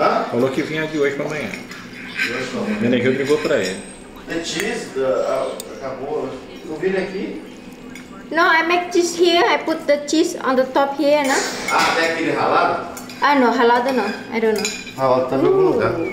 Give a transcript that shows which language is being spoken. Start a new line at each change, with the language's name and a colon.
Portuguese: Falou que vinha aqui hoje pra amanhã. Menegheu me ligou pra ele.
English: The cheese,
Portuguese: acabou. O vinho aqui?
English: No, I make cheese here. I put the cheese on the top here, no?
Portuguese: Ah, tem aquele ralado? Ah, não, ralado não.
English: I don't know.
Portuguese: Ralado tá no algum lugar.